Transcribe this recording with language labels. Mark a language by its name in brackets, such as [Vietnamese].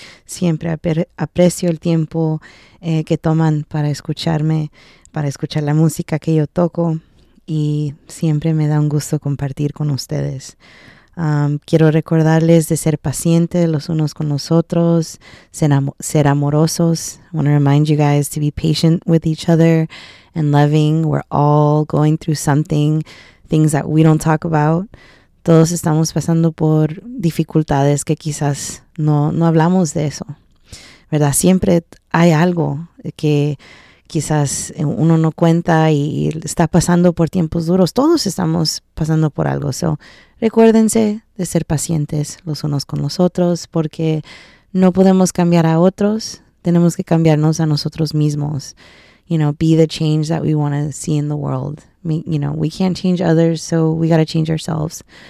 [Spanish] Siempre aprecio el tiempo que toman para escucharme, para escuchar la música que yo toco, y siempre me da un gusto compartir con ustedes. Quiero recordarles de ser pacientes los unos con los otros, ser amorosos. [English] I want to remind you guys to be patient with each other and loving. We're all going through something, things that we don't talk about. [Spanish] Todos estamos pasando por dificultades que quizás no hablamos de eso, ¿verdad? Siempre hay algo que quizás uno no cuenta y está pasando por tiempos duros. Todos estamos pasando por algo. So, recuérdense de ser pacientes los unos con los otros, porque no podemos cambiar a otros. Tenemos que cambiarnos a nosotros mismos. [English] You know, be the change that we want to see in the world. You know, we can't change others, so we got to change ourselves.